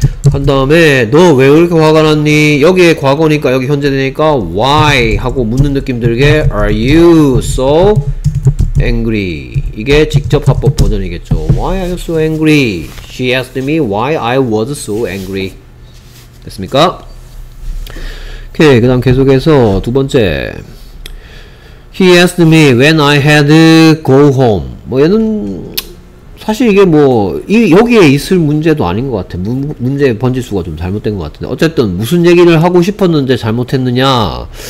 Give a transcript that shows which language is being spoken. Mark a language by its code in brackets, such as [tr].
[ko] 한 다음에 너 왜 이렇게 화가 났니? 여기에 과거니까 여기 현재 되니까 why 하고 묻는 느낌 들게 [en] are you so angry. [ko] 이게 직접화법 버전이겠죠. [en] Why are you so angry? She asked me why I was so angry. [ko] 됐습니까? 오케이, 그 다음 계속해서 두 번째. [en] He asked me when I had go home. [ko] 뭐 얘는 사실 이게 뭐 여기에 있을 문제도 아닌 것 같아. 문제 번지수가 좀 잘못된 것 같은데 어쨌든 무슨 얘기를 하고 싶었는데 잘못했느냐.